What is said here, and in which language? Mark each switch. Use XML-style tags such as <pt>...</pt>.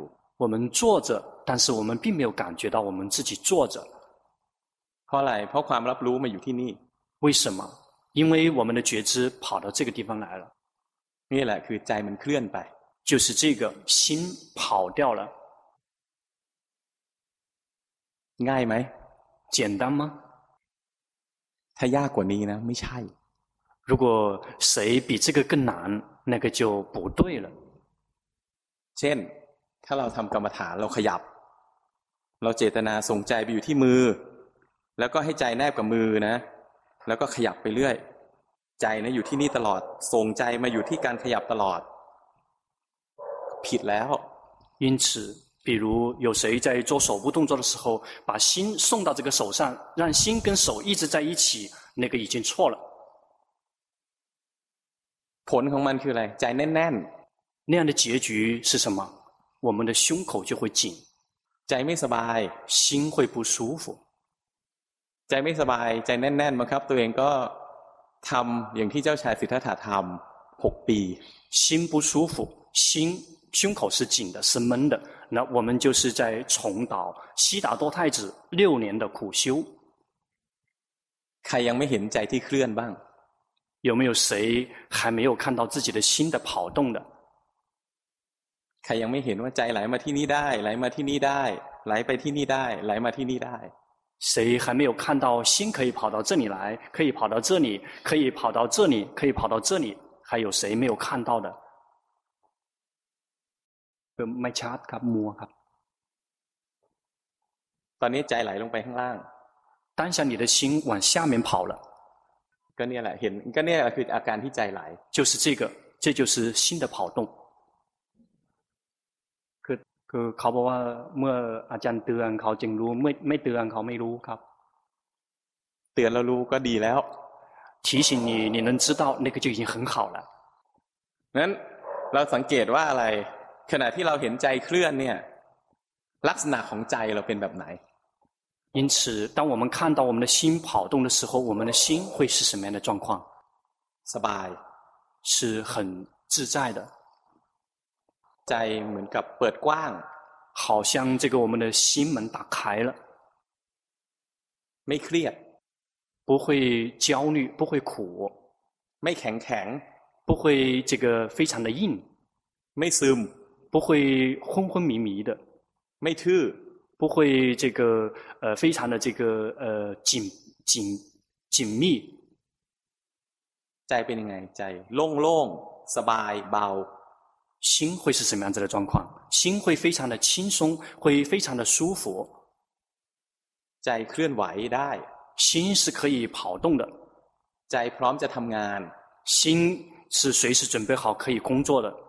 <zh>我们坐着但是我们并没有感觉到我们自己坐着</zh> <th>เพราะอะไรเพราะความรับรู้มาอยู่ที่นี่</th> <zh>为什么因为我们的觉知跑到这个地方来了</zh> <th>นี่แหละคือใจมันเคลื่อนไป</th> <zh>就是这个心跑掉了</zh> <th>ง่ายไหม</th> <zh>简单吗</zh> <th>ถ้ายากกว่านี้นะไม่ใช่</th> <zh>如果谁比这个更难那个就不对了</zh> <th>เช่นถ้าเราทำกรรมฐานเราขยับเราเจตนาส่งใจไปอยู่ที่มือแล้วก็ให้ใจแนบกับมือนะแล้วก็ขยับไปเรื่อยใจนะอยู่ที่นี่ตลอดส่งใจมาอยู่ที่การขยับตลอดผิดแล้ว</th> <zh>因此比如有谁在做手部动作的时候把心送到这个手上让心跟手一直在一起那个已经错了</zh> <th>ผลของมันคืออะไรใจแน่น</th> <zh>ๆ那样的结局是什么我们的胸口就会紧</zh> <th>ใจไม่สบาย</th> <zh>心会不舒服</zh> <th>ใจไม่สบายใจแน่นๆมาครับตัวเองก็ทำอย่างที่เจ้าชายสิทธัตถะทำ6ปี</th> <zh>心不舒服心胸口是紧的是闷的那我们就是在重蹈悉达多太子六年的苦修</zh> <th>ใครยังไม่เห็นใจที่เคลื่อนบ้าง</th> <zh>有没有谁还没有看到自己的心的跑动的？</zh> <th>ใครยังไม่เห็นว่าใจไหลมาที่นี่ได้ไหลมาที่นี่ได้ไหลไปที่นี่ได้ไหลมาที่นี่ได้</th> <zh>谁还没有看到心可以跑到这里来可以跑到这里可以跑到这里可以跑到这里还有谁没有看到的</zh> <th>ไม่ชัดครับมัวครับ ตอนนี้ใจไหลลงไปข้างล่าง</th> <zh>当下你的心往下面跑了</zh> <th>ก็เนี่ยแหละเห็นก็เนี่ยคืออาการที่ใจไหล</th> <zh>就是这个这就是心的跑动</zh> <th>คือเขาบอกว่าเมื่ออาจารย์เตือนเขาจึงรู้ไม่เตือนเขาไม่รู้ครับ เตือนแล้วรู้ก็ดีแล้ว</th> <zh>提醒你你能知道那个就已经很好了</zh> <th>นั้นเราสังเกตว่าอะไรขณะที่เราเห็นใจเคลื่อนเนี่ยลักษณะของใจเราเป็นแบบไหน</th> <zh>因此当我们看到我们的心跑动的时候我们的心会是什么样的状况</zh> <th>สบาย</th> <zh>是很自在的</zh> <th>ใจเหมือนกับเปิดกว้าง</th> <zh>好像这个我们的心门打开了</zh> <th>ไม่เครียด</th> <zh>不会焦虑不会苦</zh> <th>ไม่แข็ง</th> <zh>不会这个非常的硬</zh> <th>ไม่ซึม</th> <zh>不会昏迷迷的</zh> <th>ไม่ทื่อ</th> <zh>不会这个非常的这个紧密</zh> <th>ใจเป็นยังไงใจโล่งสบายเบา</th> <zh>心会是什么样子的状况？心会非常的轻松，会非常的舒服。</zh> <th>ใจเคลื่อนไหวได้</th> <zh>心是可以跑动的。</zh> <th>ใจพร้อมจะทำงาน</th> <zh>心是随时准备好可以工作的。</zh>